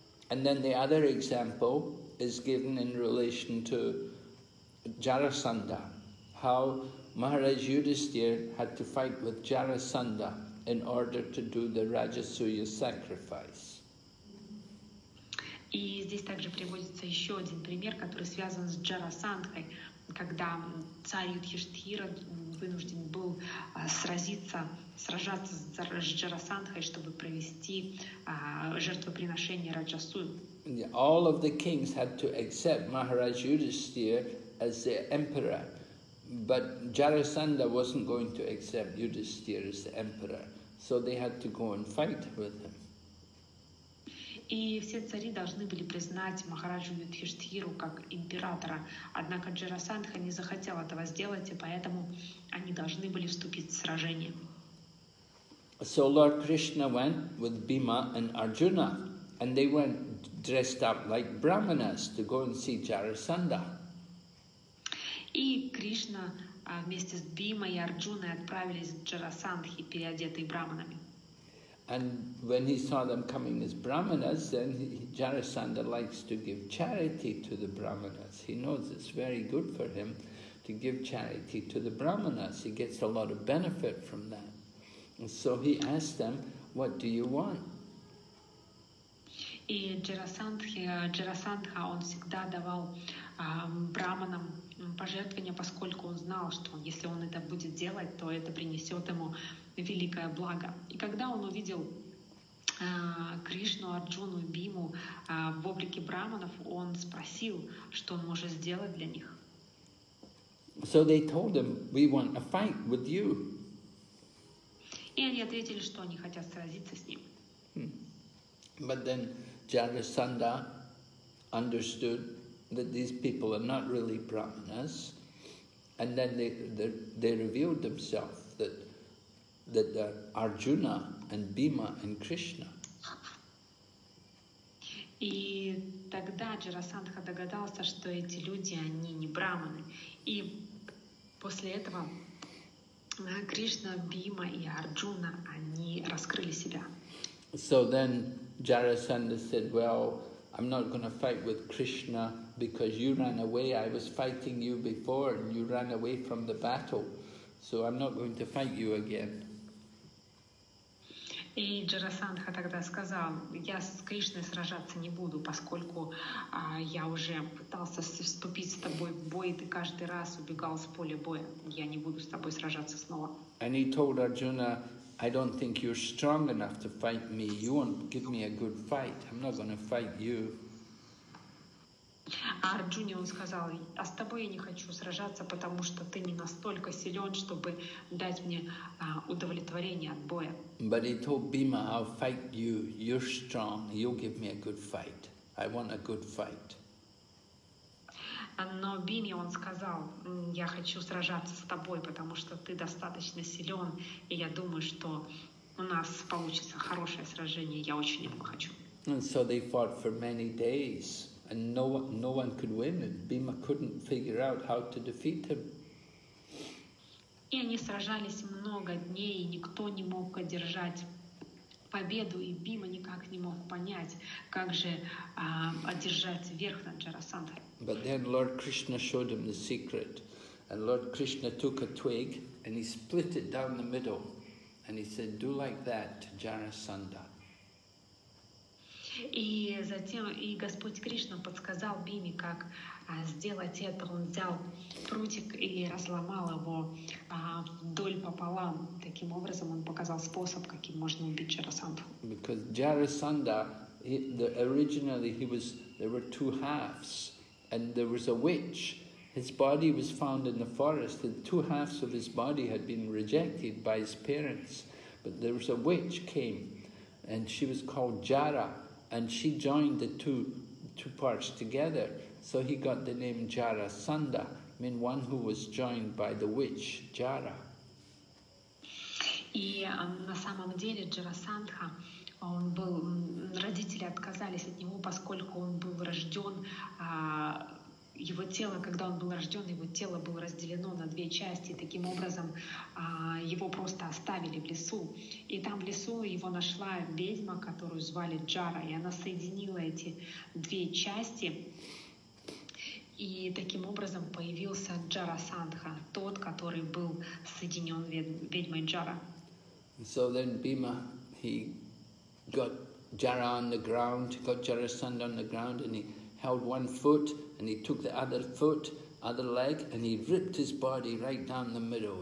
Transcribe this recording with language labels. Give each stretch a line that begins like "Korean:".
English: And then the other example is given in relation to Jarasandha, how Maharaj Yudhisthira had to fight with Jarasandha in order to do the Rajasuya sacrifice.
Russian: И здесь также приводится еще один пример, который связан с Джарасандхой, когда царь Юдхиштхира вынужден был сражаться с Джарасандхой, чтобы провести жертвоприношение Раджасую.
English: All of the kings had to accept Maharaj Yudhisthira as the emperor, but Jarasandha wasn't going to accept Yudhisthira as the emperor, so they had to go and fight with him.
Russian: И все цари должны были признать Махараджу Юдхиштхиру как императора, однако Джарасандха не захотел этого сделать, и поэтому они должны были вступить в сражение.
English: So Lord Krishna went with Bhima and Arjuna, and they went dressed up like brahmanas to go and see Jarasandha.
Russian: И Кришна вместе с Бхимой и Арджуной отправились к Джарасандхе, переодетые брахманами.
English: And when he saw them coming as brahmanas, then Jarasandha likes to give charity to the brahmanas. He knows it's very good for him to give charity to the brahmanas. He gets a lot of benefit from that. And so he asked them, "What do you want?"
Russian: И Джарасандха, он всегда давал браманам пожертвования, поскольку он знал, что если он это будет делать, то это принесет ему великое благо. И когда он увидел Кришну, Арджуну и Биму в облике браманов, он спросил, что он может сделать для них.
English: So they told him, we want a fight with you.
Russian: И они ответили, что они хотят сразиться с ним.
English: But then Jarasandha understood that these people are not really brahmanas, and then they revealed themselves that they're Arjuna and Bhima and Krishna.
Russian: И тогда Джарасандха догадался, что эти люди, они не браманы. И после этого Кришна, Бхима и Арджуна, они раскрыли себя.
English: So then Jarasandha said, well, I'm not going to fight with Krishna because you ran away. I was fighting you before and you ran away from the battle. So I'm not going to fight you again.
Russian: И Джарасандха тогда сказал, я с Кришной сражаться не буду, поскольку я уже пытался вступить с тобой в бой, и ты каждый раз убегал с поля боя. Я не буду с тобой сражаться снова.
English: And he told Arjuna, I don't think you're strong enough to fight me. You won't give me a good fight. I'm not going to fight you.
Russian: А Арджуне он сказал, а с тобой я не хочу сражаться, потому что ты не настолько силен, чтобы дать мне удовлетворение от боя.
English: But he told Bhima, I'll fight you. You're strong. You'll give me a good fight. I want a good fight.
Russian: Но Бхиме он сказал, я хочу сражаться с тобой, потому что ты достаточно силен, и я думаю, что у нас получится хорошее сражение. Я очень этого хочу.
English: And so they fought for many days. And no one could win, and Bhima couldn't figure out how to defeat him.
Russian: И они сражались много дней, и никто не мог одержать победу, и Бхима никак не мог понять, как же одержать верх над Джарасандхой.
English: But then Lord Krishna showed him the secret, and Lord Krishna took a twig and he split it down the middle, and he said, "Do like that, Jarasandha."
Russian: И затем и Господь Кришна подсказал Бхиме, как сделать это. Он взял прутик и разломал его вдоль пополам. Таким образом, он показал способ, каким можно убить Джарасандху.
English: Because Jarasandha, originally there were two halves, and there was a witch. His body was found in the forest, and two halves of his body had been rejected by his parents. But there was a witch came, and she was called Jara. And she joined the two parts together, so he got the name Jarasandha, mean one who was joined by the witch Jara.
Russian: И на самом деле Джарасандха, он был, родители отказались от него, поскольку он был рожден, его тело, когда он был рожден, его тело было разделено на две части, таким образом его просто оставили в лесу. И там в лесу его нашла ведьма, которую звали Джара, и она соединила эти две части, и таким образом появился Джарасандха, тот, который был соединен ведьмой Джара.
English: So then Bhima, he got Jara on the ground, got Jarasandha on the ground, and he held one foot, and he took the other leg, and he ripped his body right down the middle.